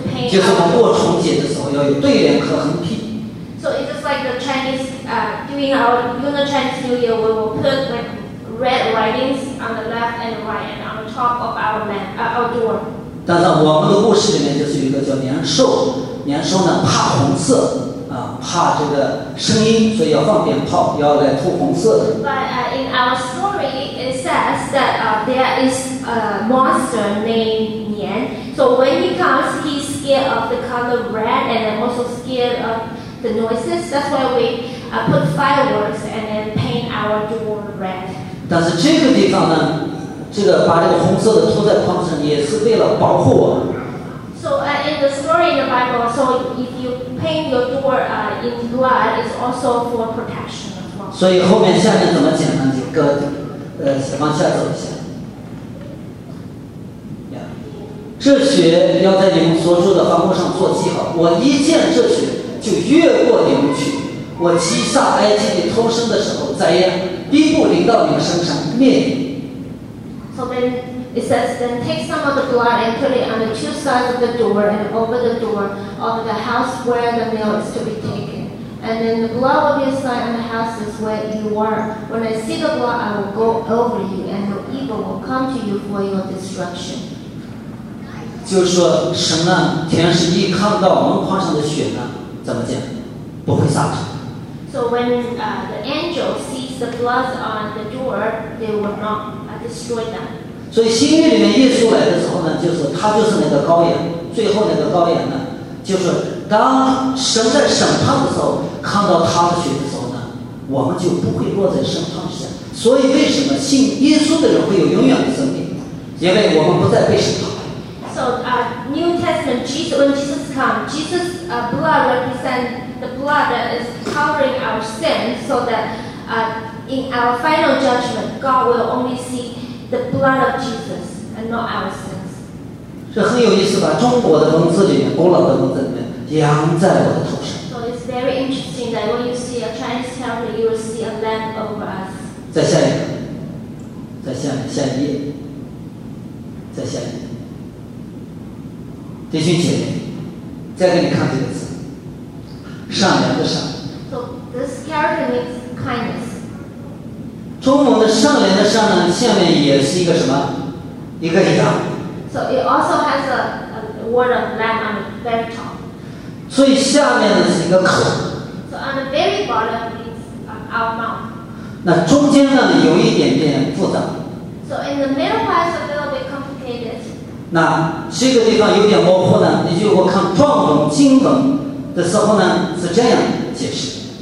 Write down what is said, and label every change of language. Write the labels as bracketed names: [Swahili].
[Chinese] 就是我们过重节的时候要有对联和横批。 [English] So it's just like the Chinese, during our Lunar Chinese New Year, we will put like red writings on the left and right and on the top of our door. [Chinese] 但是我们的故事里面就是有一个叫年兽，年兽呢怕红色啊，怕这个声音，所以要放鞭炮，要来涂红色的。 [English] But in our story, it says that there is a monster named Nian. So when he comes, he's scared of the color red, and then also scared of the noises. That's why we put fireworks and then paint our door red. [Chinese] 但是这个地方呢，这个把这个红色的涂在框上，也是为了保护我。 [English] So in the story in the Bible, so if you paint your door in blood, it's also for protection as well. [Chinese] 所以后面下面怎么讲呢？就搁往下走一下。这血要在你们所住的房屋上做记号。我一见这血，就越过你们去。我击杀埃及地偷生的时候，灾殃必不临到你们身上，灭你。 [English] So then it says, then take some of the blood and put it on the two sides of the door and over the door of the house where the meal is to be taken. And then the blood will be inside on the houses where you are. When I see the blood, I will go over you, and no evil will come to you for your destruction. [Chinese] 就是说神呢，天使一看到门框上的血呢，怎么讲，不会杀他。 [English] So when the angel sees the blood on the door, they will not destroy them. [Chinese] 所以新约里面耶稣来的时候呢，就是他就是那个羔羊，最后那个羔羊呢，就是当神在审判的时候看到他的血的时候呢，我们就不会落在审判之下。所以为什么信耶稣的人会有永远的生命？因为我们不再被审判。 [English] So New Testament, when Jesus comes, Jesus' blood represents the blood that is covering our sin, so that in our final judgment, God will only see the blood of Jesus and not our sins. [Chinese] 这很有意思吧？中国的文字里面，古老的文字里面，羊在我的头上。 [English] So it's very interesting that when you see a Chinese calendar, you will see a lamb over us. [Chinese] 再下一个，再下下一页，再下一页。弟兄姐妹，再给你看这个字，善良的善。 [English] So this character means kindness. [Chinese] 中文的善良的善呢，下面也是一个什么？一个羊。 [English] So it also has a word of lamb on the very top. [Chinese] 所以下面的是一个口。 [English] So on the very bottom is our mouth. [Chinese] 那中间呢有一点点复杂。 [English] So in the middle part is a little bit complicated. [Chinese] 那这个地方有点模糊呢，你就我看壮文经文的时候呢是这样解释。